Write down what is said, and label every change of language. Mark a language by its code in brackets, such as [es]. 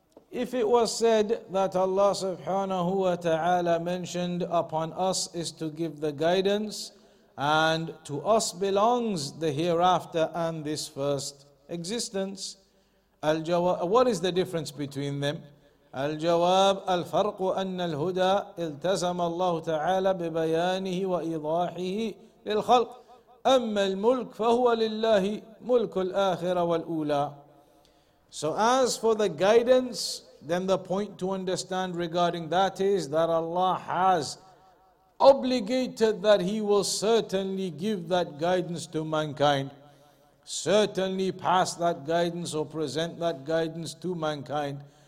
[en] If it was said that Allah subhanahu wa ta'ala mentioned upon us is to give the guidance, and to us belongs the hereafter and this first existence, what is the difference between them? [ar] الجواب الفرق أن الهدى التزم الله تعالى ببيانه وإيضاحه للخلق أما الملك فهو لله ملك الآخرة والأولى. [en] So as for the guidance, then the point to understand regarding that is that Allah has obligated that He will certainly give that guidance to mankind, certainly pass that guidance or present that guidance to mankind.